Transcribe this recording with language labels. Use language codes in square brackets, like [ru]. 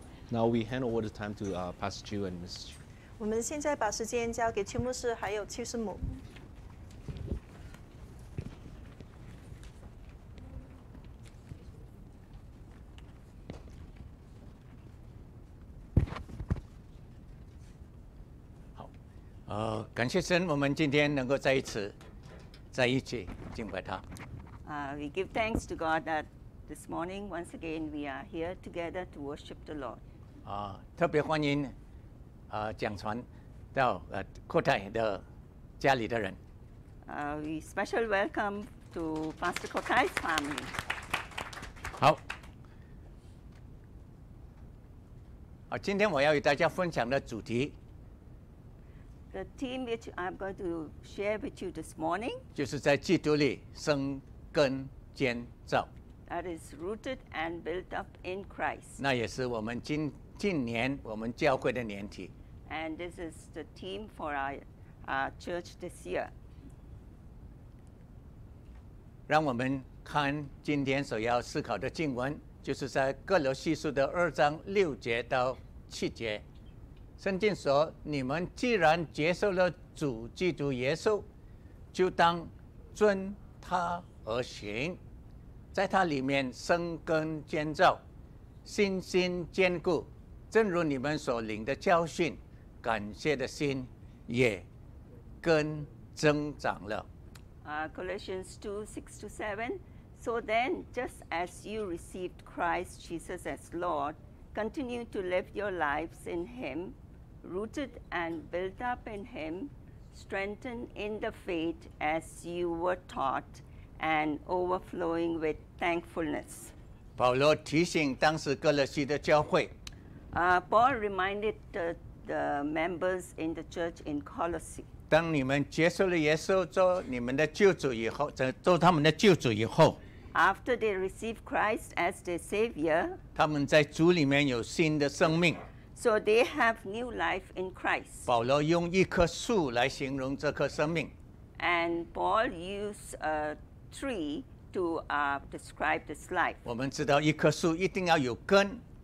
[en] Now we hand over the time to Pastor Chiu and Ms. Chiu. [zh] 我们现在把时间交给邱牧师还有邱师母。好，感谢神，我们今天能够在一起敬拜他。 [en] We give thanks to God that. This morning, once again, we are here together to worship the Lord. [zh] 特别欢迎讲传到阔太的家里的人。 [en] We special welcome to Pastor Kotai's family. [zh] 好。今天我要与大家分享的主题。 [en] The theme which I'm going to share with you this morning. [zh] 就是在基督里生根建造。 [en] That is rooted and built up in Christ. [zh] 那也是我们今年我们教会的年题。 [en] And this is the theme for our church this year. [zh] 让我们看今天所要思考的经文，就是在哥罗西书的二章六节到七节。圣经说：“你们既然接受了主基督耶稣，就当遵他而行。” 在它里面生根建造，信心坚固，正如你们所领的教训，感谢的心也更增长了。 [en] Colossians 2:6-7. So then, just as you received Christ Jesus as Lord, continue to live your lives in Him, rooted and built up in Him, strengthened in the faith as you were taught, and overflowing with thankfulness. [zh] 保罗提醒当时哥罗西的教会, [en] Paul reminded the members in the church in Colossae. [zh] 当你们接受了耶稣做你们的救主以后，做他们的救主以后, [en] After they received Christ as their Savior, [zh] 他们在主里面有新的生命。 [en] So they have new life in Christ. [zh] 保罗用一棵树来形容这棵生命。 [en] And Paul used a tree to describe this life. [zh] 我们知道一棵树一定要有根。